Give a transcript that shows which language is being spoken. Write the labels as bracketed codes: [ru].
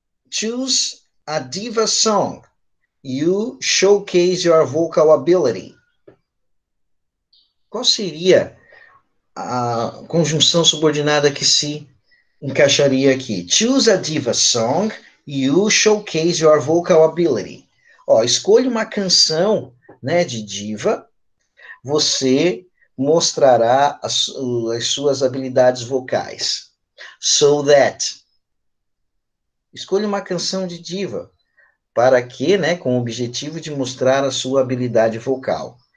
[en] Choose a diva song. You showcase your vocal ability. [pt] Qual seria a conjunção subordinada que se encaixaria aqui? [en] Choose a diva song, you showcase your vocal ability. [pt] Ó, escolha uma canção, né, de diva, você mostrará as suas habilidades vocais. [en] So that. [pt] Escolha uma canção de diva. Para quê, né? Com o objetivo de mostrar a sua habilidade vocal.